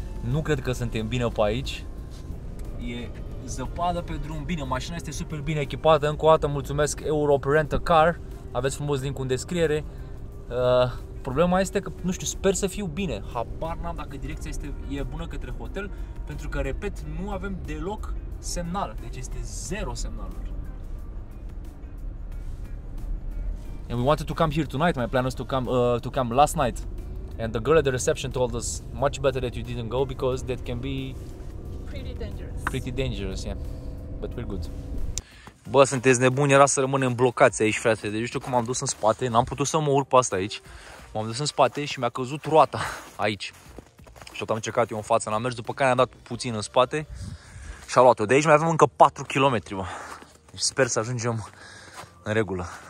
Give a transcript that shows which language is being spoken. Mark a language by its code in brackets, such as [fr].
[ro] Nu cred că suntem bine pe aici. E zăpadă pe drum, bine, mașina este super bine echipată, încă o dată mulțumesc Europe Rent a Car, aveți frumos link-ul în descriere. Problema este că, nu știu, sper să fiu bine, habar n-am dacă direcția e bună către hotel, pentru că, repet, nu avem deloc semnal, deci este zero semnaluri. [en] And we wanted to come here tonight, my plan was to come last night, and the girl at the reception told us much better that you didn't go because that can be pretty dangerous, yeah, but we're good. [ro] Bă, sunteți nebuni, era să rămânem blocați aici, frate, deci știu cum am dus în spate, n-am putut să mă urc pe asta aici, m-am dus în spate și mi-a căzut roata aici și tot am încercat eu în față, n-am mers, după care am dat puțin în spate și a luat-o. De aici mai avem încă 4 km, bă. Deci sper să ajungem în regulă.